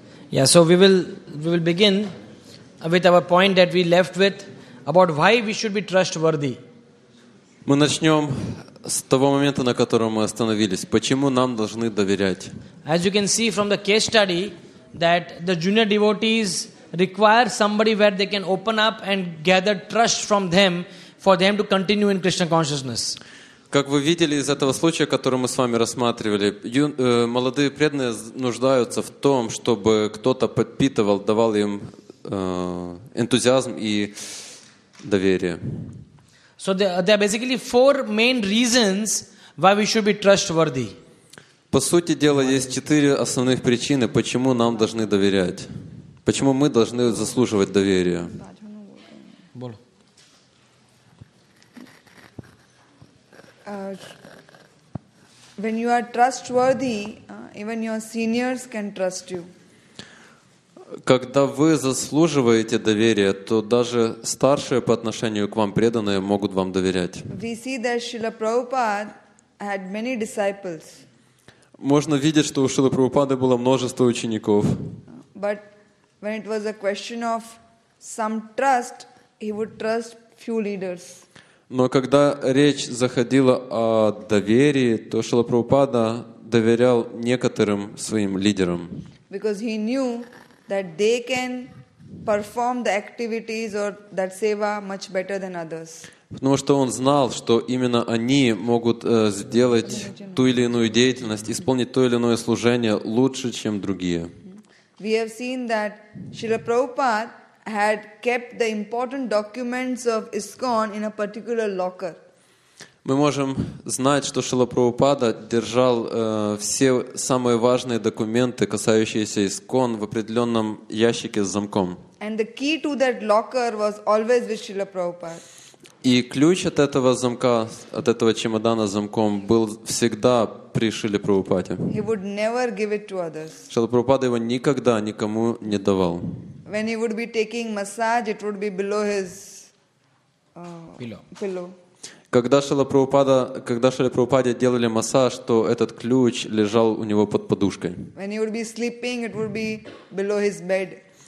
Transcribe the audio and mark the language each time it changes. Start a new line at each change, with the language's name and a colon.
English: Yeah, so we will begin with our point that we left with about why we should be trustworthy.
Russian: Мы начнём с того момента, на котором мы остановились. Почему нам должны доверять?
English: As you can see from the case study that the junior devotees require somebody where they can open up and gather trust from them for them to continue in Krishna consciousness.
Russian: Как вы видели из этого случая, который мы с вами рассматривали, молодые преданные нуждаются в том, чтобы кто-то подпитывал, давал им энтузиазм и доверие.
English: So there are basically four main reasons why we should be trustworthy.
Russian: По сути дела, есть четыре основных причины, почему нам должны доверять. Почему мы должны заслуживать доверия.
English: When you are trustworthy, even your seniors can trust you.
Russian: Когда вы заслуживаете доверия, то даже старшие по отношению к вам преданные могут вам доверять.
English: We see that Srila Prabhupada had many disciples.
Russian: Можно видеть, что у Шрилы Прабхупады было множество учеников.
English: But when it was a question of some trust, he would trust few leaders.
Russian: Но когда речь заходила о доверии, то Шрила Прабхупада доверял некоторым своим лидерам.
English: Because he knew that they can perform the activities or that seva much better than others.
Russian: Потому что он знал, что именно они могут сделать ту или иную деятельность, исполнить то или иное служение лучше, чем другие.
English: We have seen that Srila Prabhupada had kept the important documents of ISKCON in a particular locker.
Russian: Мы можем знать, что Шрила Прабхупада держал все самые важные документы, касающиеся ISKCON, в определенном ящике с замком.
English: And the key to that locker was always with Srila Prabhupada.
Russian: И ключ от этого замка, от этого чемодана с замком, был всегда при Шриле Прабхупаде.
English: He would never give it to others.
Russian: Шрила Прабхупада его никогда никому не давал.
English: When he would be taking massage, it would be below his pillow.
Russian: Когда Шрила Прабхупаде делали массаж, то этот ключ лежал у него под подушкой.
English: When he would be sleeping, it would be below his bed.